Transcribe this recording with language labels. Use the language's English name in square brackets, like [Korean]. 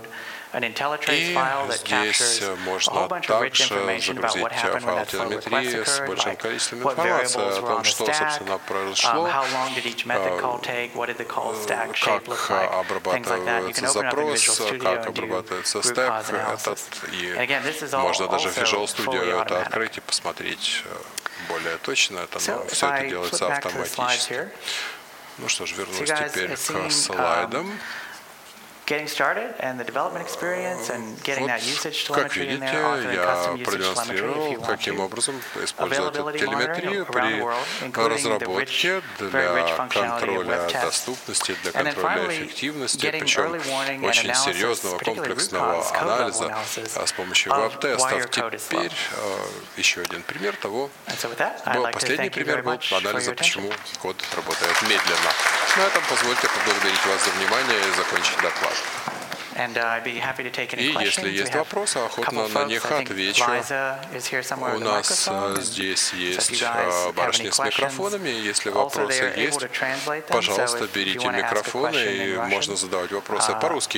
[Russian] И здесь можно также загрузить файл телеметрии с большим количеством информации о том, что, собственно, произошло, как обрабатывается запрос, как обрабатывается стек этот, и можно даже в Visual Studio это открыть и посмотреть более точно, это, но все это делается автоматически. Ну что ж, вернусь теперь к слайдам. [English] Getting started and the development experience and getting that usage telemetry in there, offering custom usage telemetry if you want to. Availability monitoring around the world, including the rich, very rich functionality of WebTest. And then finally, getting early warning and analysis, particularly root cause code level analysis of why your code is slow. And so with that, I'd like to thank you very much for your attention. [Russian] Code работает медленно. На этом позвольте поблагодарить вас за внимание и закончить доклад. [English] And I'd be happy to take any questions. [Russian] И если есть вопросы, охотно на них отвечу. У нас здесь есть барышня с микрофонами. Если вопросы есть, пожалуйста, берите микрофоны, и можно задавать вопросы по-русски.